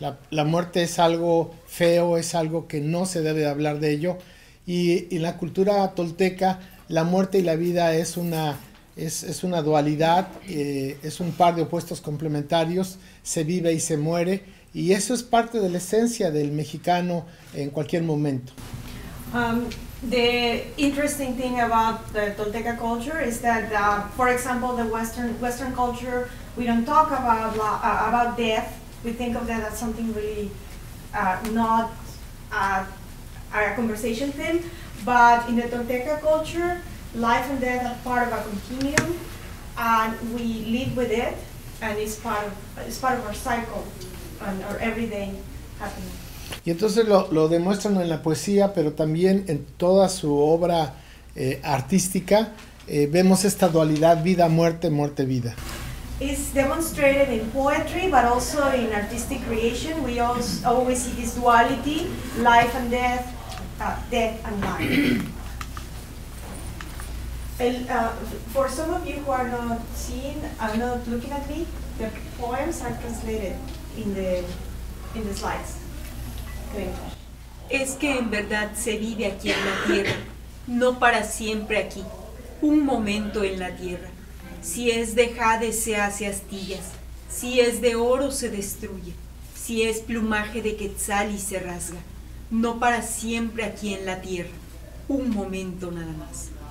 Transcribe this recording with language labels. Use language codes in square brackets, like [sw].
[es] La muerte es algo feo, es algo que no se debe hablar de ello. Y en la cultura tolteca, la muerte y la vida es una dualidad, es un par de opuestos complementarios, se vive y se muere, y eso es parte de la esencia del mexicano en cualquier momento. [en] The interesting thing about the Tolteca culture is that, for example, the Western culture, we don't talk about death. We think of that as something really not a conversation thing. But in the Tolteca culture, life and death are part of a continuum, and we live with it, and it's part of our cycle and our everyday happening. [es] Y entonces lo demuestran en la poesía, pero también en toda su obra artística, vemos esta dualidad vida-muerte, muerte-vida. [en] It's demonstrated in poetry, but also in artistic creation. We always see this duality, life and death, death and life. For some of you who are not looking at me, the poems are translated in the slides. [es] Es que en verdad se vive aquí en la tierra, no para siempre aquí, un momento en la tierra. Si es de jade se hace astillas, si es de oro se destruye, si es plumaje de quetzal y se rasga, no para siempre aquí en la tierra, un momento nada más.